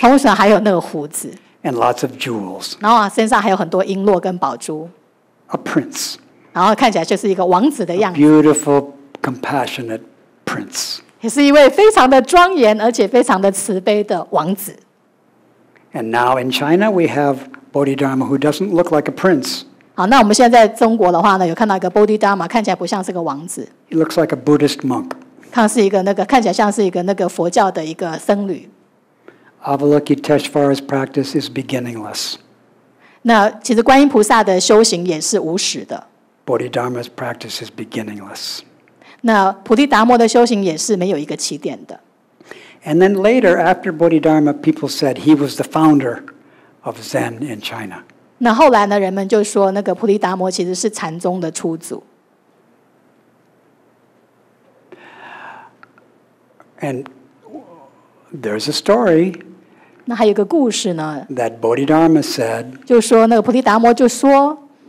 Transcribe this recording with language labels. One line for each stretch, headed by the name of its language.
Chinese: 通常还有那个胡子。
English: And lots of jewels.
Chinese: 然后身上还有很多璎珞跟宝珠。
English: A prince.
Chinese: 然后看起来就是一个王子的样子。
English: A beautiful, compassionate prince.
Chinese: 也是一位非常的庄严而且非常的慈悲的王子。
English: And now in China we have Bodhidharma who doesn't look like a prince.
Chinese: 好，那我们现在在中国的话呢，有看到一个 Bodhidharma， 看起来不像是个王子。
English: He looks like a Buddhist monk.
Chinese: 他是一个那个看起来像是一个那个佛教的一个僧侣。
English: Avalokiteshvara's practice is beginningless.
Chinese: 那其实观音菩萨的修行也是无始的。
English: Bodhidharma's practice is beginningless.
Chinese: 那菩提达摩的修行也是没有一个起点的。
English: And then later, after Bodhidharma, people said he was the founder of Zen in China.
Chinese: 那后来呢，人们就说那个菩提达摩其实是禅宗的初祖。
English: And there's a story.
Chinese: 那还有个故事呢。
English: That Bodhidharma said.
Chinese: 就说那个菩提达摩就说。